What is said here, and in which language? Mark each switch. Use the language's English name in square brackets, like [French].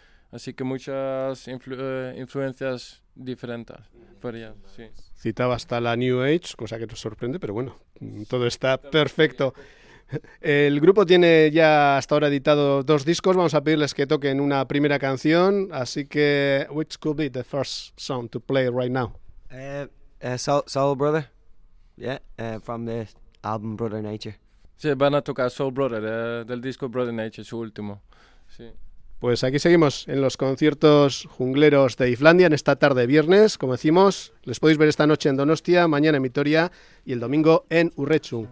[Spanish] Así que muchas influencias diferentes. Sí. Citaba hasta la new age, cosa que nos sorprende, pero bueno, todo está perfecto. El grupo tiene ya hasta ahora editado dos discos. Vamos a pedirles que toquen una primera canción. Así que, [English] which could be the first song to play right now? Soul Brother, from the album Brother Nature. [Spanish] Sí, van a tocar Soul Brother del disco Brother Nature, su último. Sí. Pues aquí seguimos en los conciertos jungleros de Islandia en esta tarde viernes. Como decimos, les podéis ver esta noche en Donostia, mañana en Vitoria y el domingo en Urretxu.